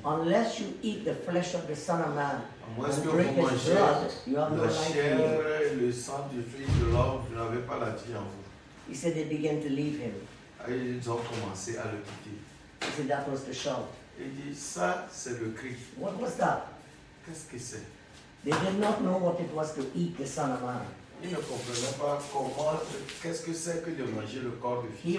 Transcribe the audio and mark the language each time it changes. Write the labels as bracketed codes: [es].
[en] unless you eat the flesh of the Son of Man, [fr] moins que vous mangez la chair et le sang du Fils de l'homme, vous n'avez pas la vie en vous. [en] He said they began to leave him. [fr] Ils ont commencé à le quitter. [en] He said that was the shout. [fr] Il dit, ça, c'est le cri. [en] What was that? [fr] Qu'est-ce que c'est? [en] They did not know what it was to eat the Son of Man. [fr] Ils ne comprenaient pas comment, qu'est-ce que c'est que de manger le corps du Fils.